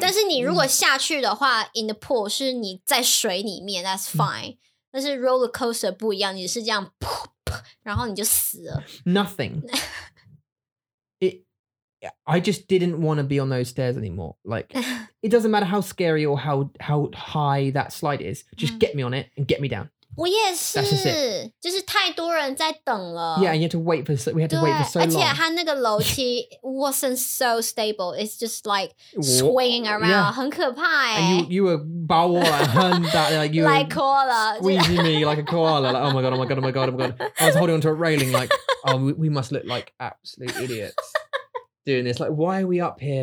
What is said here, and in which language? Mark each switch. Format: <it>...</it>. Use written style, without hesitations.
<zh>但是你如果下去的话</zh> <en>in the pool</en> <zh>是你在水里面</zh> <en>that's fine</en> <zh>但是 roller coaster 不一样你是这样 然后你就死了</zh> <en>nothing I just didn't want to be on those stairs anymore. Like, it doesn't matter how scary or how high that slide is. Just get me on it and get me down.</en> <zh>我也是，就是太多人在等了。</zh> <en>Yeah, and you had to wait for, we had to wait for so long.</en> <zh>而且它那个楼梯</zh> <en>wasn't so stable. It's just like swinging around. Yeah.</en> <zh>很可怕欸。</zh> <en>And you were like koala. Squeezing me like a koala. Like, oh my God, oh my God, oh my God, oh my God. I was holding onto a railing like, oh, we must look like absolute idiots doing this. Like, why are we up here?</en>